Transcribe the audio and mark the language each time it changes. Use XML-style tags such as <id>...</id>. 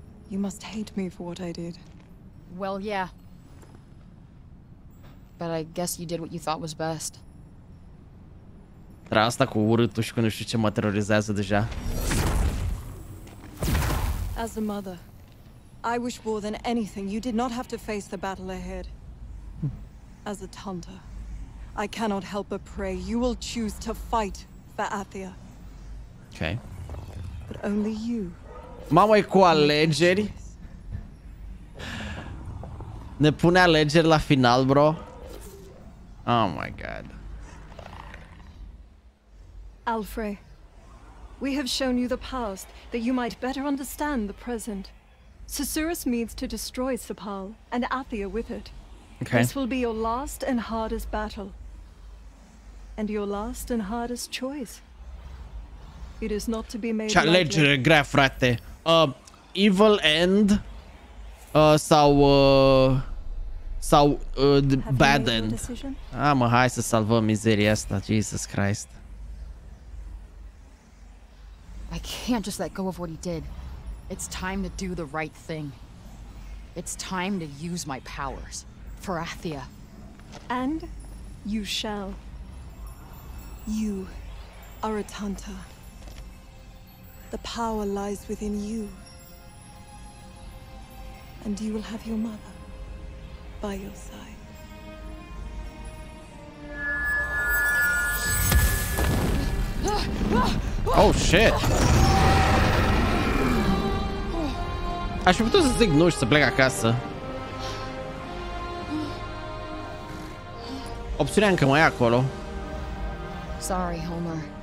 <en>You must hate me for what I did. Well, yeah. But I guess you did what you thought was best.</en> <ro>Asta cu urâtul și cu nu știu ce mă terorizează deja.</ro> <en>As a mother, I wish more than anything you did not have to face the battle ahead. As a Tanta, I cannot help but pray you will choose to fight for Athia. Okay. But only you.</en> <ro>Mamă, e cu alegeri? Ne pune alegeri la final, bro?</ro> <en>Oh my god. Alfre, we have shown you the past that you might better understand the present. Susurrus means to destroy Sepal and Athia with it. Okay. This will be your last and hardest battle. And your last and hardest choice. It is not to be made.</en> <ro>Ce alegere grea, frate. Evil End sau Bad End. Mă, hai să salvăm mizeria asta, Jesus Christ.</ro> <en>I can't just let go of what he did. It's time to do the right thing. It's time to use my powers for Athia. And you shall. You are a Tanta. The power lies within you. And you will have your mother by your side. Oh shit.</en> <ro>Aș fi putut să zic nu și să plec acasă. Opțiunea încă mai e acolo.</ro> <en>Sorry, Homer.</en>